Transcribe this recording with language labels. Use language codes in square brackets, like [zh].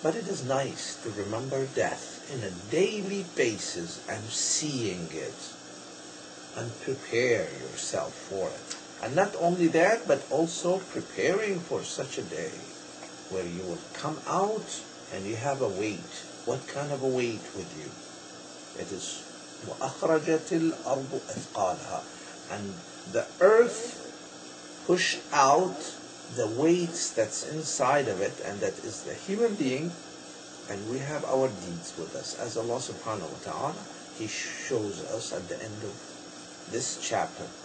[en] But it is nice to remember death in a daily basis and seeing it and prepare yourself for it. And not only that, but also preparing for such a day where you will come out and you have a weight. What kind of a weight with you? It is [ar] وَأَخْرَجَتِ الْأَرْضُ أَثْقَالَهَا. [en] And the earth push out the weights that's inside of it, and that is the human being, and we have our deeds with us. As Allah subhanahu wa ta'ala, He shows us at the end of this chapter.